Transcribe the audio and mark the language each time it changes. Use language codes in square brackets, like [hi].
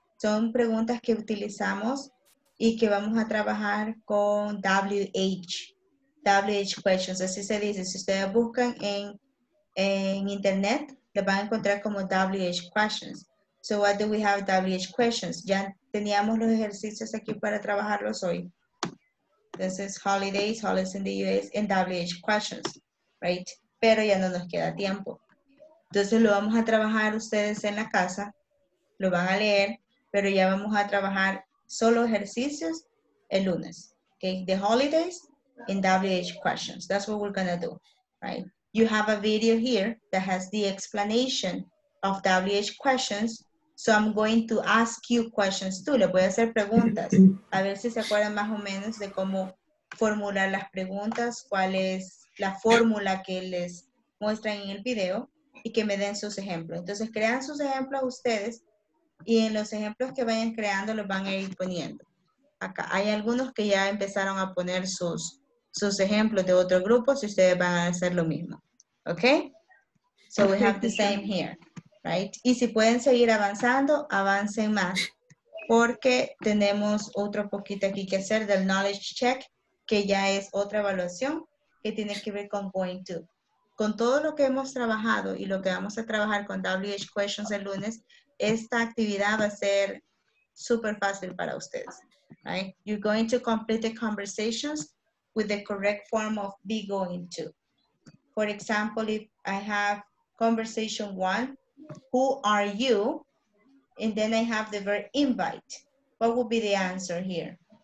[es] Son preguntas que utilizamos y que vamos a trabajar con WH questions, así se dice. Si ustedes buscan en internet, le van a encontrar como WH questions. [en] So what do we have WH questions? [es] Ya teníamos los ejercicios aquí para trabajarlos hoy. [en] Entonces, holidays, holidays in the US, and WH questions, right? [es] Pero ya no nos queda tiempo. Entonces, lo vamos a trabajar ustedes en la casa, lo van a leer, pero ya vamos a trabajar solo ejercicios el lunes. [en] Okay, the holidays in WH questions. That's what we're gonna do, right? You have a video here that has the explanation of WH questions. So I'm going to ask you questions too. [es] Le voy a hacer preguntas. A ver si se acuerdan más o menos de cómo formular las preguntas, cuál es la fórmula que les muestran en el video y que me den sus ejemplos. Entonces, crean sus ejemplos ustedes y en los ejemplos que vayan creando los van a ir poniendo. Acá hay algunos que ya empezaron a poner sus ejemplos de otro grupo, si ustedes van a hacer lo mismo. ¿Ok? [en] So we have the same here, right? [es] Y si pueden seguir avanzando, avancen más, porque tenemos otro poquito aquí que hacer del knowledge check, que ya es otra evaluación que tiene que ver con going to. Con todo lo que hemos trabajado y lo que vamos a trabajar con WH Questions el lunes, esta actividad va a ser súper fácil para ustedes, right? [en] You're going to complete the conversations with the correct form of be going to. For example, if I have conversation one, who are you? And then I have the verb invite. What would be the answer here?